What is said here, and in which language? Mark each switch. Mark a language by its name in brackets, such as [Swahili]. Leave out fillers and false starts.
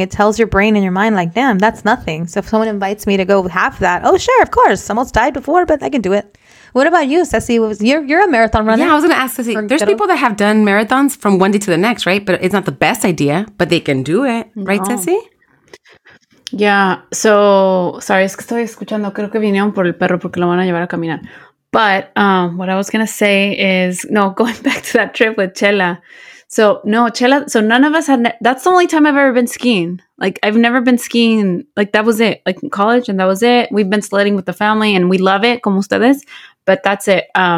[English] It tells your brain and your mind, like, damn, that's nothing. So if someone invites me to go half that, oh, sure, of course. I almost died before, but I can do it. What about you, Ceci? You're a marathon runner. Yeah, I was going to ask Ceci. There's people that have done marathons from one day to the next, right? But it's not the best idea, but they can do it. No. Right, Ceci? Yeah. So, sorry, [Spanish] es que estoy escuchando. Creo que vinieron por el perro porque lo van a llevar a caminar. [English] But what I was going to say is, no, going back to that trip with Chela. So no, Chela. So none of us had. That's the only time I've ever been skiing. Like I've never been skiing. Like that was it. Like in college, and that was it. We've been sledding with the family, and we love it. [Spanish] Como ustedes. [English] But that's it.